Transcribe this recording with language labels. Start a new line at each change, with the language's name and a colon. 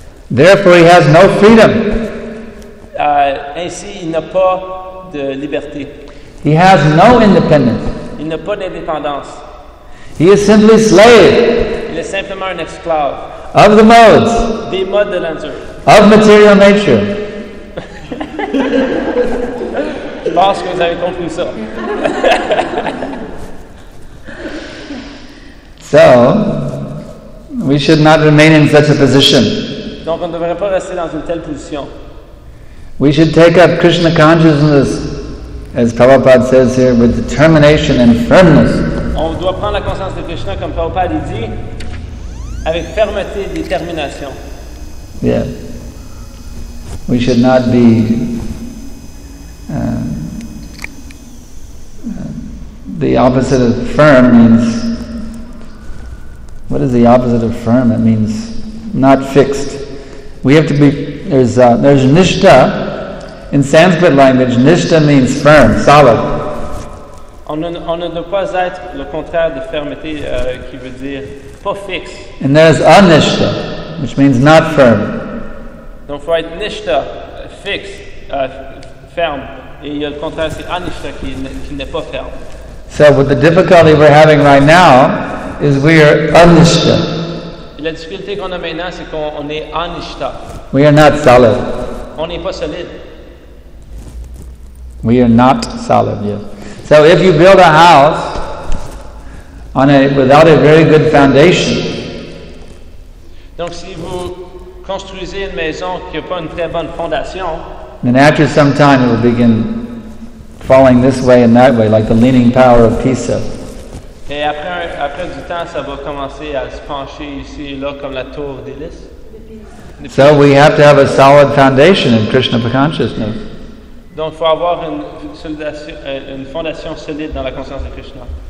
English: Therefore, he has no freedom.
French: Ainsi, il n'a pas de liberté.
English: He has no independence.
French: Il n'a pas d'indépendance.
English: He is simply slave.
French: Il est simplement un esclave.
English: Of the modes.
French: Des modes de la nature.
English: Of material nature.
French: Je pense que vous avez compris ça.
English: So, we should not remain in such a position.
French: Donc, on ne devrait pas rester dans une telle position.
English: We should take up Krishna consciousness, as Prabhupada says here, with determination and firmness.
French: On doit prendre la conscience de Krishna, comme Prabhupada dit, avec fermeté et détermination.
English: Yeah. We should not be the opposite of firm means. What is the opposite of firm? It means not fixed. We have to be, there's nishta. In Sanskrit language, nishta means firm, solid.
French: On ne doit pas être le contraire de fermeté qui veut dire pas fixe.
English: And there's anishta, which means not firm.
French: Donc il faut être nishta, fixe, ferme. Et il y a le contraire, c'est anishta qui n'est pas ferme.
English: So with the difficulty we're having right now, is we are anishta.
French: La difficulté qu'on a maintenant, c'est qu'on est anishta.
English: We are not solid.
French: On n'est pas solide.
English: We are not solid, yes. So if you build a house without a very good foundation,
French: donc si vous construisez une maison qui n'a pas une très bonne fondation,
English: then after some time it will begin falling this way and that way, like the Leaning Tower of Pisa.
French: Et après du temps, ça va commencer à se pencher ici et là comme la tour d'Hélice.
English: So we have to have a solid foundation in Krishna consciousness.
French: Donc il faut avoir une fondation solide dans la conscience de Krishna.